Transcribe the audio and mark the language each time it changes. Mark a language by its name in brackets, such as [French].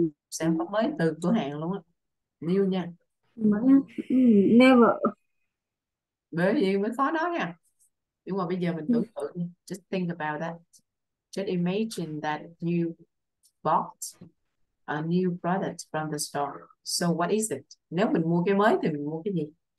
[Vietnamese] Sản phẩm mới từ cửa hàng luôn á. New nha. [English] Never. [Vietnamese] Bởi vì mới khó nói nha. Nhưng mà bây giờ mình tưởng tượng, [English] just think about that. Just imagine that you bought a new product from the store. So what is it? [Vietnamese] Nếu mình mua cái mới thì mình mua cái gì?